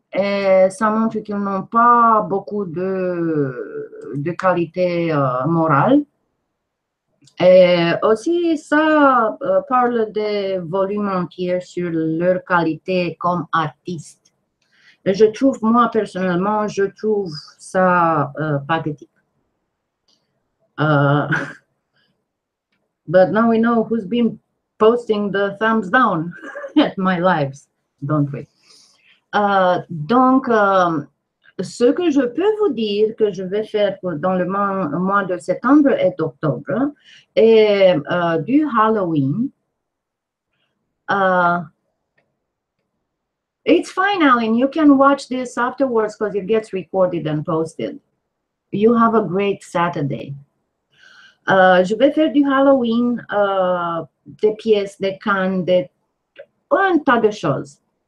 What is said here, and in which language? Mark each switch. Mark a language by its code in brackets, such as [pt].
[fr] Et ça montre qu'ils n'ont pas beaucoup de qualité morale. Et aussi, ça parle des volumes entiers sur leur qualité comme artiste. Et je trouve, moi personnellement, je trouve ça pathétique. [en] But now we know who's been posting the thumbs down at my lives, don't we? [fr] Donc, ce que je peux vous dire que je vais faire dans le mois de septembre et d'octobre est du Halloween. [en] It's fine, Alan. You can watch this afterwards because it gets recorded and posted. You have a great Saturday. [fr] Je vais faire du Halloween, des pièces, des cannes, un tas de choses.